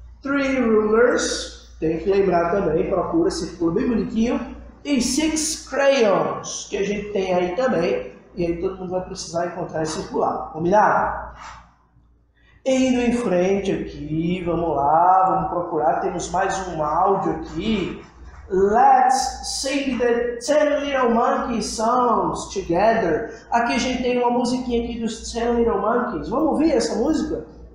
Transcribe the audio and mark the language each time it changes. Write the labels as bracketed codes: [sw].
[pt] 3 rulers, tem que lembrar também, procura, circula bem bonitinho. E 6 crayons, que a gente tem aí também, e aí todo mundo vai precisar encontrar e circular, combinado? Indo em frente aqui, vamos lá, vamos procurar, temos mais um áudio aqui. [en] Let's sing the 10 Little Monkey Songs together. [pt] Aqui a gente tem uma musiquinha aqui dos 10 Little Monkeys. Vamos ouvir essa música?